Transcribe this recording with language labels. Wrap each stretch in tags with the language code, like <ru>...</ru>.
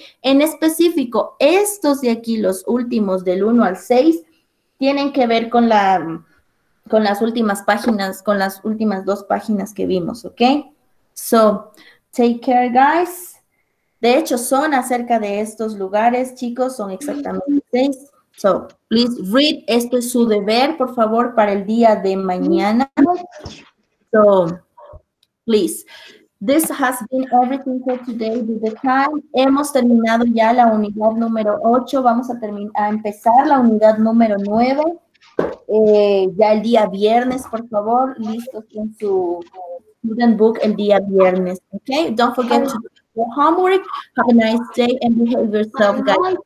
<es>En específico, estos de aquí, los últimos del 1 al 6, tienen que ver con la, con las últimas páginas, con las últimas dos páginas que vimos, ¿ok?</es> <en>So, take care, guys.</en> <es>De hecho, son acerca de estos lugares, chicos, son exactamente 6.</es> <en>So, please read,</en> <es>esto es su deber, por favor, para el día de mañana.</es> <en>So, please. This has been everything for today with the time.</en> <es>Hemos terminado ya la unidad número 8. Vamos a terminar, a empezar la unidad número 9. Ya el día viernes, por favor. Listo con su student book el día viernes.</es> <en>Okay? Don't forget to do your homework. Have a nice day and behave yourself, guys.</en>